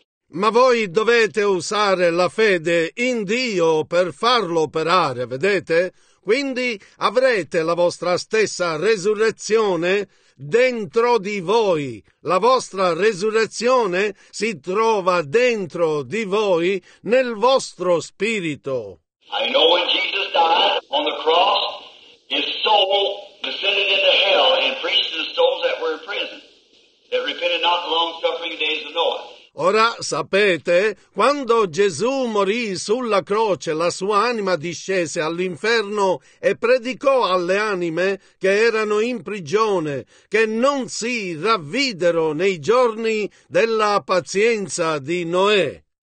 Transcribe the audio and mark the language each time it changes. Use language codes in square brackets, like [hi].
[it] Ma voi dovete usare la fede in Dio per farlo operare, vedete? Quindi avrete la vostra stessa resurrezione dentro di voi. La vostra resurrezione si trova dentro di voi, nel vostro spirito. [en] I know when Jesus died on the cross, his soul descended into hell and preached to the souls that were in prison, that repented not the long suffering days of Noah. [it] Ora sapete, quando Gesù morì sulla croce, la sua anima discese all'inferno e predicò alle anime che erano in prigione che non si ravvidero nei giorni della pazienza di Noè.